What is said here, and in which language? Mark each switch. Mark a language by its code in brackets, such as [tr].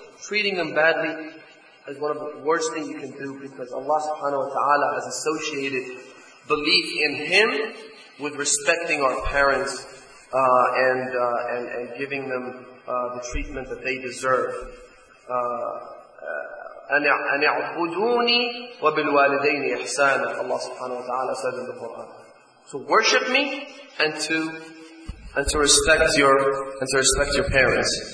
[en] Treating them badly is one of the worst things you can do, because Allah subhanahu wa ta'ala has associated belief in Him with respecting our parents and giving them the treatment that they deserve. [ar] أن يعبدوني وبالوالدين إحسانا. [en] Allah subhanahu wa ta'ala said in the Quran, to worship me and to respect your parents.